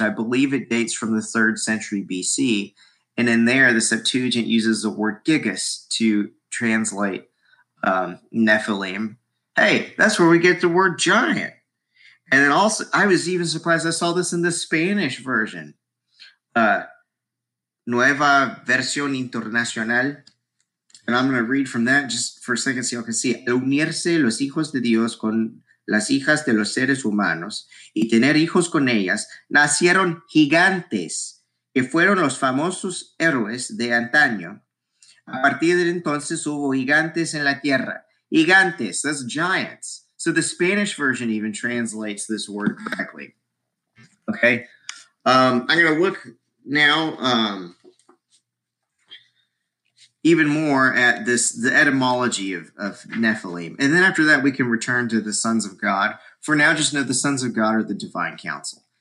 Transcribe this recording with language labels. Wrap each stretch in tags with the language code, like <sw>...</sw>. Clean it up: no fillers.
<en>I believe it dates from the 3rd century BC. And in there, the Septuagint uses the word gigas to translate Nephilim. Hey, that's where we get the word giant. And then also, I was even surprised I saw this in the Spanish version. Nueva Versión Internacional. And I'm going to read from that just for a second so y'all can see.</en> <es>Unirse los hijos de Dios con las hijas de los seres humanos y tener hijos con ellas, nacieron gigantes que fueron los famosos héroes de antaño. A partir de entonces hubo gigantes en la tierra.</es> <en>Gigantes, that's giants. So the Spanish version even translates this word correctly. Okay. I'm going to look now. even more at this, the etymology of Nephilim. And then after that, we can return to the sons of God. For now, just know the sons of God are the divine council.</en>